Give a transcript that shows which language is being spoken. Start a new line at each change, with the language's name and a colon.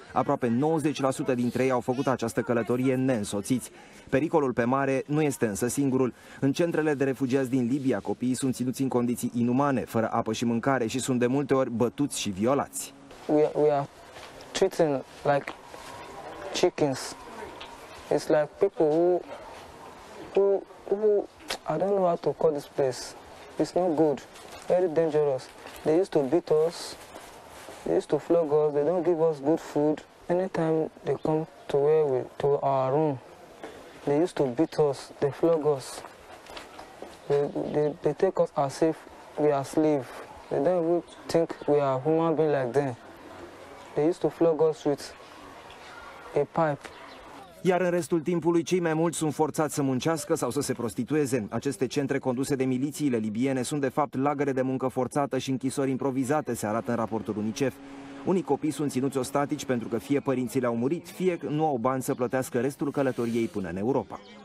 Romanian: Aproape 90% dintre ei au făcut această călătorie neînsoțiți. Pericolul pe mare nu este însă singurul. În centrele de refugiați din Libia, copiii sunt ținuți în condiții inumane, fără apă și mâncare, și sunt de multe ori bătuți și violați.
English: We are treating like chickens. It's like people who I don't know how to call this place. It's not good. Very dangerous. They used to beat us. They used to flog us. They don't give us good food. Anytime they come to where we to our room, they used to beat us. They flog us. They take us as if we are slaves. They don't even think we are human being like them. They used to flog us with a pipe.
Romanian: Iar în restul timpului, cei mai mulți sunt forțați să muncească sau să se prostitueze. Aceste centre conduse de milițiile libiene sunt de fapt lagăre de muncă forțată și închisori improvizate, se arată în raportul UNICEF. Unii copii sunt ținuți ostatici pentru că fie părinții le-au murit, fie nu au bani să plătească restul călătoriei până în Europa.